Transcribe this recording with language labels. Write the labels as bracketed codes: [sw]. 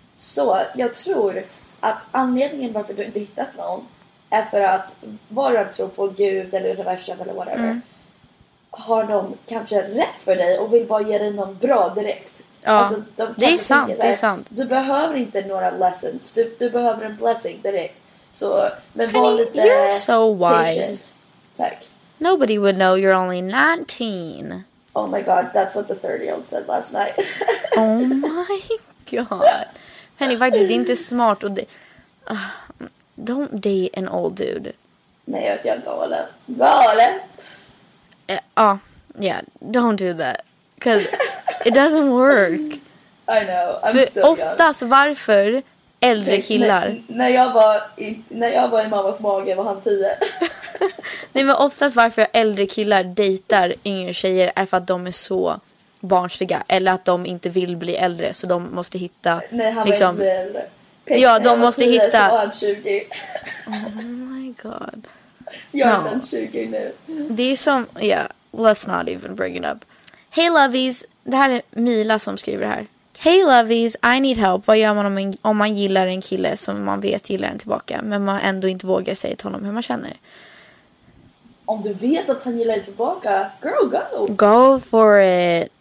[sv] Så jag tror att anledningen varför du inte hittat någon är för att vara tro på Gud eller universum eller whatever. Mm. Har de kanske rätt för dig och vill bara ge dig någon bra direkt. Ja, alltså, de det är sant, tänka, det är sant. Du behöver inte några lessons. Du behöver en blessing direkt. Så, men var lite patient. [en] You're so wise. [sv] Tack. [en] Nobody would know you're only 19. Oh my god, that's what the 30-year-old said last night. Oh my god. [sv] Penny, faktiskt, det är inte smart. Och det, [en] don't date an old dude. [sv] Nej, jag är galen. Galen! [en] Yeah, don't do that. Because it doesn't work. I know, I'm still young. [sv] Oftast, varför äldre killar? När jag var i mammas mage var han 10. Nej, men oftast varför äldre killar dejtar yngre tjejer är för att de är så barnsliga. Eller att de inte vill bli äldre, så de måste hitta... Nej, han liksom, inte äldre. Ja, de måste hitta... Han [en] 20. Oh my god. [sv] Jag är den 20 nu. Det är som... [en] Yeah, let's not even bring it up. Hey lovies, [sv] det här är Mila som skriver här. [en] Hey lovies, I need help. [sv] Vad gör man om man gillar en kille som man vet gillar en tillbaka, men man ändå inte vågar säga till honom hur man känner? Om du vet att han gillar en tillbaka, [en] girl, go. Go for it.